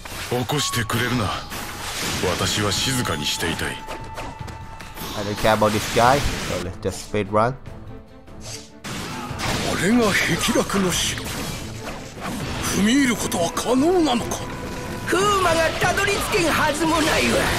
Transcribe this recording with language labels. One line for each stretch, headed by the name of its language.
Japanese: 起こしてくれるな。私は静かにしていたい。
English: I don't care about this guy, so let's just speed run.
Japanese: これが壁楽の城、踏み入ることは可能なのか。風魔がたどり着けんはずもないわ。